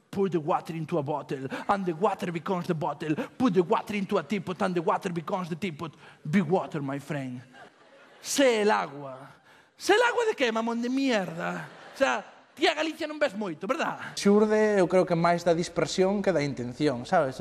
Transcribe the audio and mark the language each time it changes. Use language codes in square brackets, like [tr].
[en] Put the water into a bottle, and the water becomes the bottle. Put the water into a teapot, and the water becomes the teapot. Be water, my friend. [es] Sé el agua. Sé el agua de qué, mamón de mierda. [gl] O sea, tía Galicia non ves moito, verdad? Xurde, eu creo que máis da dispersión que da intención, sabes?